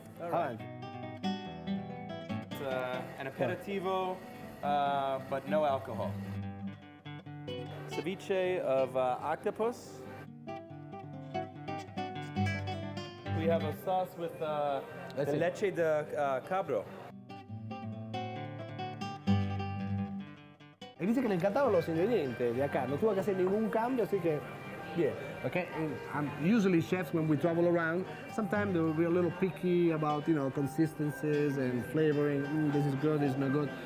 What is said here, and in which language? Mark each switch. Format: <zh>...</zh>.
<en>All right. It's an aperitivo, but no alcohol. Ceviche of octopus. We have a sauce with leche de cabro.</en> <es>Y dice que le encantaban los ingredientes de acá. No tuvo que hacer ningún cambio, así que bien.</es> <en>Okay. Usually chefs, when we travel around, sometimes they will be a little picky about, you know, consistencies and flavoring. Mm, this is good, this is not good.</en>